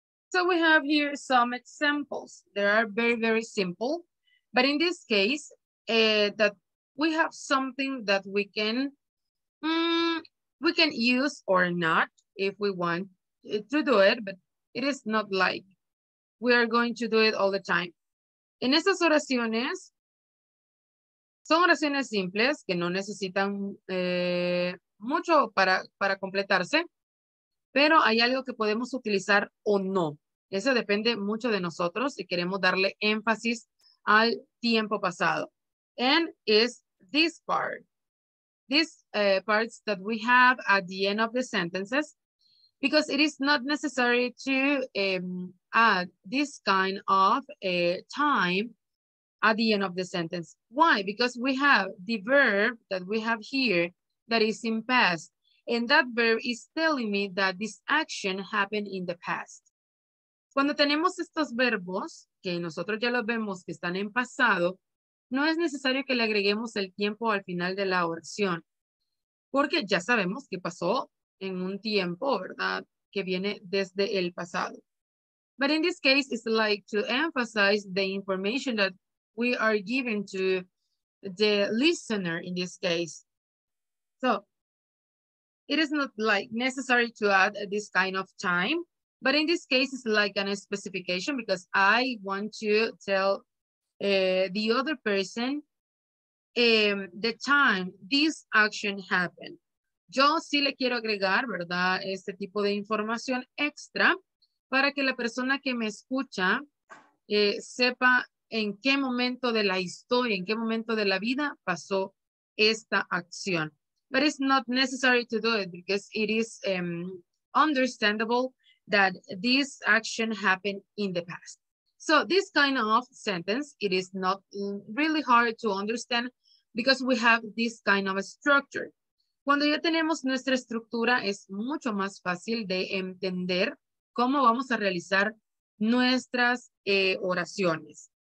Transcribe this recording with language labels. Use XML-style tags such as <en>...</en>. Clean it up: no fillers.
<en>So we have here some examples. They are very, very simple. But in this case, that we have something that we can use or not if we want to do it, but it is not like we are going to do it all the time.</en> <es>En estas oraciones, son oraciones simples que no necesitan mucho para completarse, pero hay algo que podemos utilizar o no. Eso depende mucho de nosotros si queremos darle énfasis al tiempo pasado.</es> <en>And is this part. These parts that we have at the end of the sentences, because it is not necessary to add this kind of time at the end of the sentence. Why? Because we have the verb that we have here that is in past. And that verb is telling me that this action happened in the past.</en> <es>Cuando tenemos estos verbos, que nosotros ya los vemos que están en pasado, no es necesario que le agreguemos el tiempo al final de la oración, porque ya sabemos que pasó en un tiempo, ¿verdad?, que viene desde el pasado.</es> <en>But in this case, it's like to emphasize the information that we are giving to the listener in this case. So it is not like necessary to add this kind of time, but in this case, it's like a specification because I want to tell the other person the time this action happened.</en> <es>Yo sí le quiero agregar, ¿verdad?, este tipo de información extra para que la persona que me escucha sepa en qué momento de la historia, en qué momento de la vida pasó esta acción.</es> <en>But it's not necessary to do it because it is understandable that this action happened in the past. So this kind of sentence, it is not really hard to understand because we have this kind of a structure.</en> <es>Cuando ya tenemos nuestra estructura, es mucho más fácil de entender cómo vamos a realizar nuestras oraciones.</es>